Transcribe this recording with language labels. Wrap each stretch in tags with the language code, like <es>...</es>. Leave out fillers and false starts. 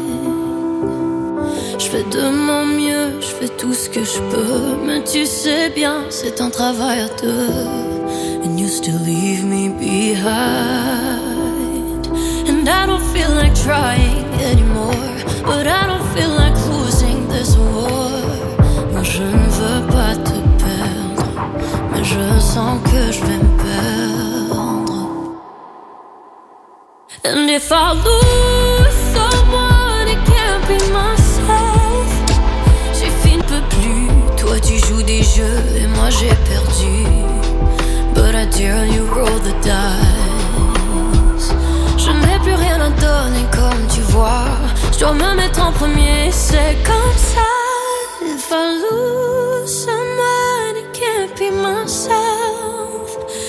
<fr>seule. Je fais de mon mieux, je fais tout ce que je peux. Mais tu sais bien, c'est un travail à deux.</fr> <en>And you still leave me behind. And I don't feel like trying anymore. But I don't feel like losing this war.</en> <fr>Moi je ne veux pas te perdre. Mais je sens que je vais me perdre.</fr> <en>And if I lose someone, it can't be myself.</en> <fr>J'ai fini, ne peux plus. Toi, tu joues des jeux et moi, j'ai perdu.</fr> <en>But I dare you roll the dice.</en> <fr>Je n'ai plus rien à donner, comme tu vois. Je dois me mettre en premier, c'est comme ça.</fr> <en>If I lose someone, it can't be myself.</en>